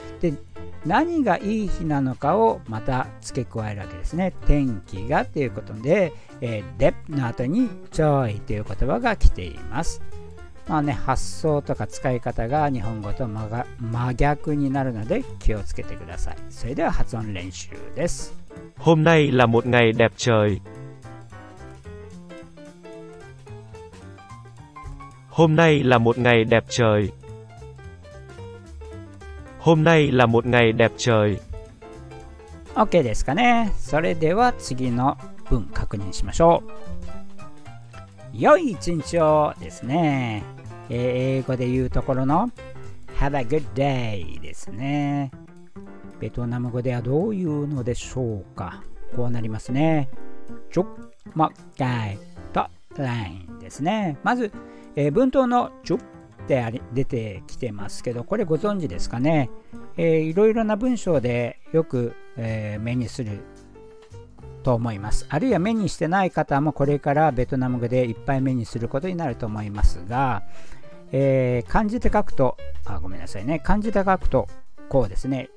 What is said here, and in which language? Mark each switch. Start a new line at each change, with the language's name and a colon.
Japanese: で、何がいい日なのかをまた付け加えるわけですね。天気がっていうことで、レップの後にちょいという言葉が来ています。まあね、発想とか使い方が日本語と真逆になるので気をつけてください。それでは発音練習です。
Vietnamese: Hôm nay là một ngày đẹp trời。 Hôm nay là một ngày đẹp trời. Hôm nay là một ngày đẹp trời.
Japanese: OK ですかね。それでは次の文確認しましょう。良い一日をですね。英語で言うところの
English: Have a good day
Japanese: ですね。ベトナム語ではどういうのでしょうか。こうなりますね。
Vietnamese: Chúc mừng ngày tốt lành
Japanese: ですね。まず文頭のちょって出てきてますけど、これご存知ですかね。いろいろな文章でよく、目にすると思います。あるいは目にしてない方もこれからベトナム語でいっぱい目にすることになると思いますが、漢字で書くと、あ、ごめんなさいね、漢字で書くとこうですね。